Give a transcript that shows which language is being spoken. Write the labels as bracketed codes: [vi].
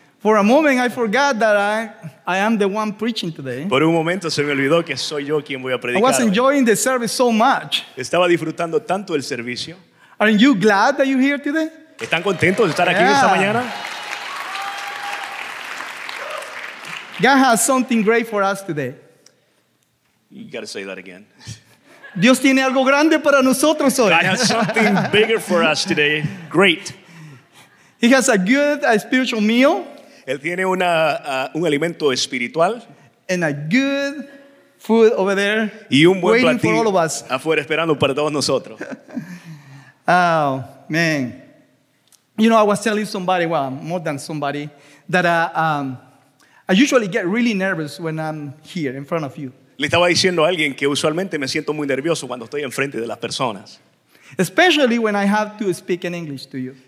[en] For a moment, I forgot that I am the one preaching today. [es] Por un momento se me olvidó que soy yo quien voy a predicar. [en] I was enjoying the service so much. [es] Estaba disfrutando tanto el servicio. [en] Are you glad that you're here today? [es] ¿Están contentos de estar aquí esta mañana? [en] God has something great for us today. You got to say that again. [es] Dios tiene algo grande para nosotros hoy. [en] God has something bigger for us today. Great. He has a good spiritual meal. [es] Él tiene una un alimento espiritual. [en] And a good food over there. [es] Y un buen [en] waiting [es] platillo [en] for all of us. [es] Afuera esperando para todos nosotros. [en] Oh, man. You know, I was telling somebody, well, more than somebody, that I usually get really nervous when I'm here in front of you. [es] Le estaba diciendo a alguien que usualmente me siento muy nervioso cuando estoy enfrente de las personas. [en] Especially when I have to speak in English to you.